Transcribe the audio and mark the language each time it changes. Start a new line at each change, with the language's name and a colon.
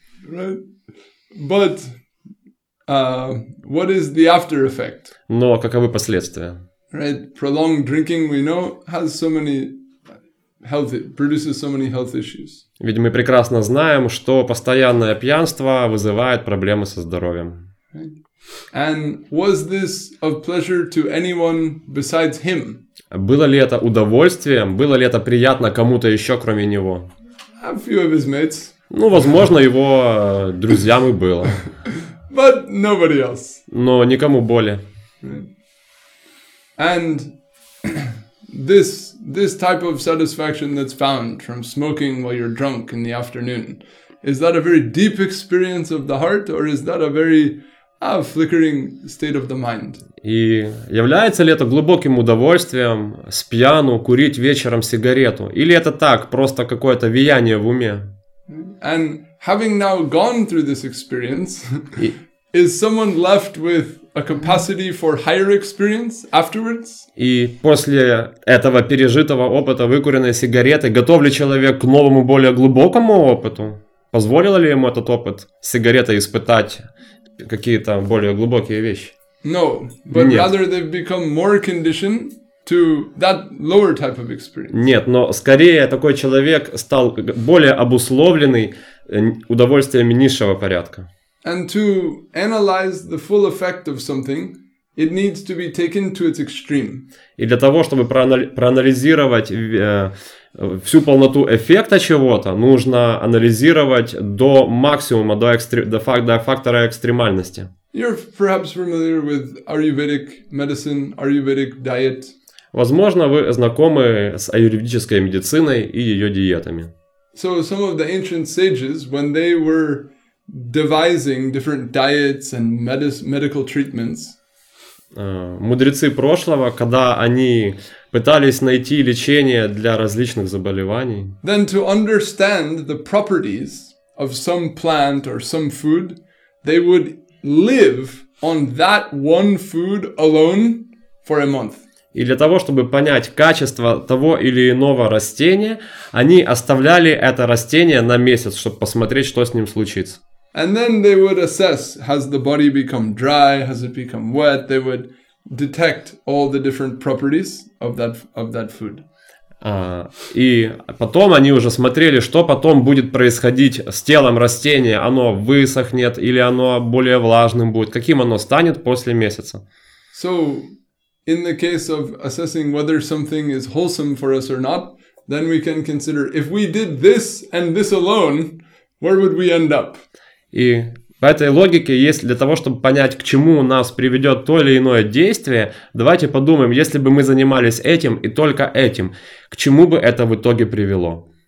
English: Right. But what is the after effect?
Russian: Но каковы последствия?
English: Right. Prolonged drinking, we know, has so many produces so many health issues.
Russian: Ведь мы прекрасно знаем, что постоянное пьянство вызывает проблемы со здоровьем.
English: Right. And was this of pleasure to anyone besides him?
Russian: Было ли это удовольствием? Было ли это приятно кому-то еще, кроме него?
English: A few of his mates.
Russian: Ну, возможно, его друзьям и было.
English: But nobody else.
Russian: Но никому более.
English: And this type of satisfaction that's found from smoking while you're drunk in the afternoon, is that a very deep experience of the heart, or is that a very A flickering state of the mind.
Russian: И является ли это глубоким удовольствием с пьяну курить вечером сигарету? Или это так, просто какое-то вияние в уме?
English: And having now gone through this experience, is someone left with a capacity for higher experience afterwards?
Russian: И после этого пережитого опыта выкуренной сигареты, готов ли человек к новому, более глубокому опыту? Позволило ли ему этот опыт сигареты испытать какие-то более глубокие вещи?
English: No, but
Russian: Нет.
English: rather they've become more conditioned to that lower type of experience.
Russian: Нет, но скорее такой человек стал более обусловленный удовольствиями низшего порядка.
English: And to analyze the full effect of something, it needs to be taken to its extreme.
Russian: И для того, чтобы проанализировать всю полноту эффекта чего-то, нужно анализировать до максимума, до фактора экстремальности.
English: You're perhaps familiar with Ayurvedic medicine, Ayurvedic diet.
Russian: Возможно, вы знакомы с аюрведической медициной и ее диетами.
English: So some of the ancient sages, when they were devising different diets and medical treatments.
Russian: Мудрецы прошлого, когда они пытались найти лечение для различных заболеваний.
English: Then to understand the properties of some plant or some food, they would live on that one food alone for a month.
Russian: И для того, чтобы понять качество того или иного растения, они оставляли это растение на месяц, чтобы посмотреть, что с ним случится.
English: And then they would assess, has the body become dry, has it become wet, they would detect all the different properties of that food.
Russian: И потом они уже смотрели, что потом будет происходить с телом растения, оно высохнет или оно более влажным будет, каким оно станет после месяца.
English: So, in the case of assessing whether something is wholesome for us or not, then we can consider, if we did this and this alone, where would we end up?
Russian: И по этой логике, если для того, чтобы понять, к чему нас приведет то или иное действие, давайте подумаем, если бы мы занимались этим и только этим, к чему бы это в итоге привело?